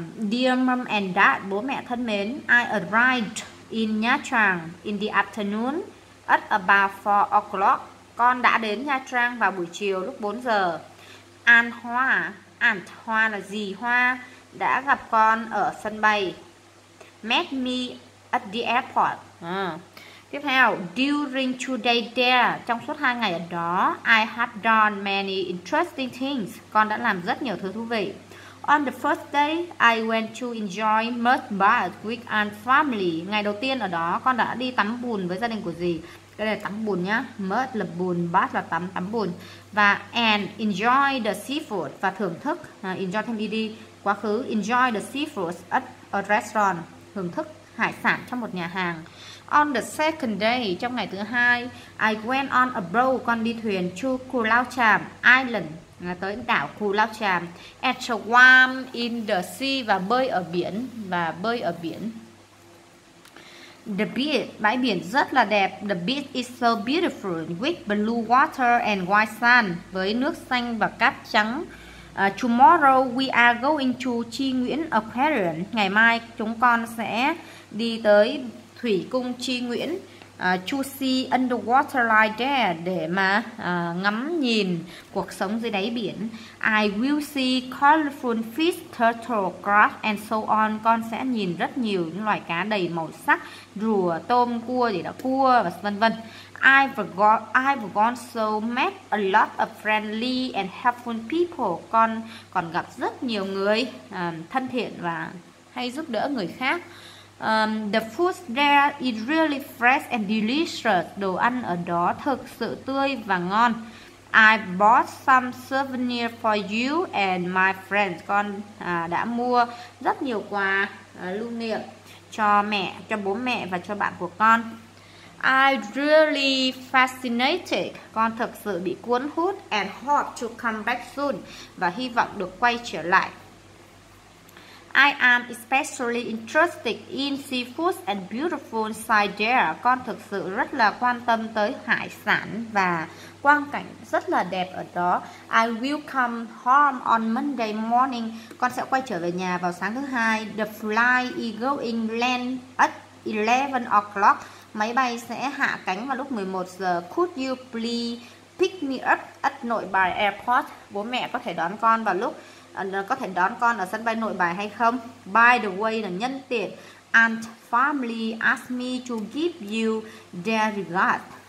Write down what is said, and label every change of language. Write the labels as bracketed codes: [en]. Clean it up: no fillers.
[en] Dear mom and dad, [vi] bố mẹ thân mến, [en] I arrived in Nha Trang in the afternoon at about 4 o'clock. [vi] Con đã đến Nha Trang vào buổi chiều lúc 4 giờ. An Hoa là dì Hoa đã gặp con ở sân bay. [en] Met me at the airport. [vi] Tiếp theo, [en] during 2 days there, [vi] trong suốt 2 ngày ở đó, [en] I have done many interesting things. [vi] Con đã làm rất nhiều thứ thú vị. [en] On the first day, I went to enjoy mud bath with Aunt family. [vi] Ngày đầu tiên ở đó, con đã đi tắm bùn với gia đình của dì. Cái này là tắm bùn nhá. [en] Mud [vi] là bùn, [en] bath [vi] là tắm bùn. Và [en] and enjoy the seafood [vi] và thưởng thức. Enjoy thêm đi. Quá khứ, [en] enjoy the seafood at a restaurant. [vi] Thưởng thức hải sản trong một nhà hàng. [en] On the second day, [vi] trong ngày thứ hai, [en] I went on a boat, [vi] con đi thuyền [en] to Cù Lao Chàm Island, [vi] tới đảo Cù Lao Chàm, [en] and swam in the sea, [vi] và bơi ở biển, [en] The beach, [vi] bãi biển rất là đẹp. [en] The beach is so beautiful with blue water and white sand, [vi] với nước xanh và cát trắng. [en] Tomorrow we are going to Chi Nguyễn Aquarium. [vi] Ngày mai chúng con sẽ đi tới Thủy Cung Chi Nguyễn [en] to see underwater life there, [vi] để mà ngắm nhìn cuộc sống dưới đáy biển. [en] I will see colorful fish, turtle, crab and so on. [vi] Con sẽ nhìn rất nhiều những loài cá đầy màu sắc, rùa, tôm, cua, gì đó, cua và vân vân. [en] I've also met a lot of friendly and helpful people. [vi] Con còn gặp rất nhiều người thân thiện và hay giúp đỡ người khác. [en] The food there is really fresh and delicious. [vi] Đồ ăn ở đó thực sự tươi và ngon. [en] I bought some souvenir for you and my friends. [vi] Con đã mua rất nhiều quà lưu niệm cho mẹ, cho bố mẹ và cho bạn của con. [en] I really fascinated. [vi] Con thực sự bị cuốn hút [en] and hope to come back soon, [vi] và hy vọng được quay trở lại. [en] I am especially interested in seafood and beautiful sight there. [vi] Con thực sự rất là quan tâm tới hải sản và quang cảnh rất là đẹp ở đó. [en] I will come home on Monday morning. [vi] Con sẽ quay trở về nhà vào sáng thứ hai. [en] The flight is going land at 11 o'clock. [vi] Máy bay sẽ hạ cánh vào lúc 11 giờ. [en] Could you please pick me up at Nội Bài Airport? [vi] Bố mẹ có thể đón con vào lúc có thể đón con ở sân bay Nội Bài hay không? [en] By the way, [vi] là nhân tiện, [en] Aunt family asked me to give you their regards.